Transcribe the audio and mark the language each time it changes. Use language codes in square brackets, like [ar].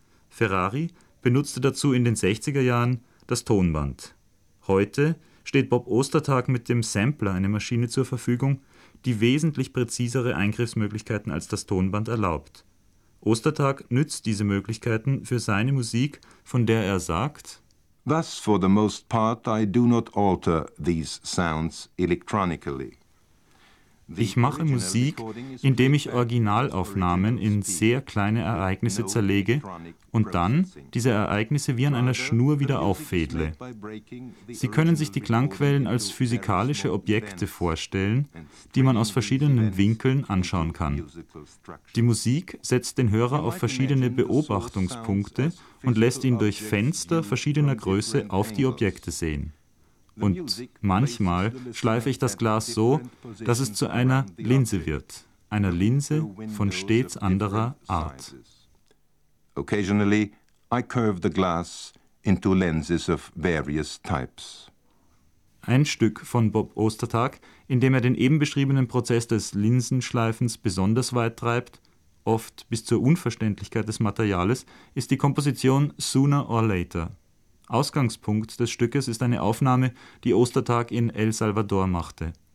[de] Ferrari benutzte dazu in den 60er Jahren das Tonband. Heute steht Bob Ostertag mit dem Sampler eine Maschine zur Verfügung, die wesentlich präzisere Eingriffsmöglichkeiten als das Tonband erlaubt. Ostertag nützt diese Möglichkeiten für seine Musik, von der er sagt: [en] Thus, for the most part, I do not alter these sounds electronically. [de] Ich mache Musik, indem ich Originalaufnahmen in sehr kleine Ereignisse zerlege und dann diese Ereignisse wie an einer Schnur wieder auffädle. Sie können sich die Klangquellen als physikalische Objekte vorstellen, die man aus verschiedenen Winkeln anschauen kann. Die Musik setzt den Hörer auf verschiedene Beobachtungspunkte und lässt ihn durch Fenster verschiedener Größe auf die Objekte sehen. Und manchmal schleife ich das Glas so, dass es zu einer Linse wird, einer Linse von stets anderer Art. [en] Occasionally I curve the glass into lenses of various types. [de] Ein Stück von Bob Ostertag, in dem er den eben beschriebenen Prozess des Linsenschleifens besonders weit treibt, oft bis zur Unverständlichkeit des Materials, ist die Komposition Sooner or Later. Ausgangspunkt des Stückes ist eine Aufnahme, die Ostertag in El Salvador machte.